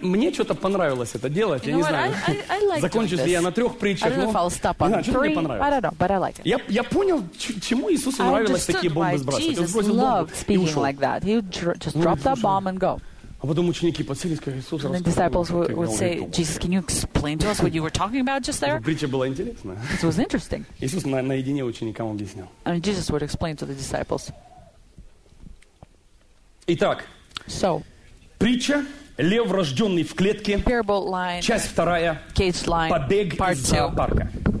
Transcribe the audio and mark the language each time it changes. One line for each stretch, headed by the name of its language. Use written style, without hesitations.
Russian: Мне что-то понравилось это делать,
English: you
Russian: я не знаю, закончусь ли я на трех притчах, но что-то мне понравилось.
English: Like
Russian: я понял, чему Иисусу нравилось такие бомбы сбрасывать. Он сбросил бомбу и ушел. А потом ученики подселись к Иисусу.
English: And the disciples would say, Jesus, can you explain to us what you were talking about just there?
Russian: Притча была интересная.
English: It was interesting.
Russian: Иисус наедине ученикам объяснял.
English: And Jesus would explain to the disciples.
Russian: Итак.
English: So.
Russian: Притча. Лев, рожденный в клетке.
English: Parable lion.
Russian: Часть вторая.
English: Caged lion.
Russian: Побег из зоопарка.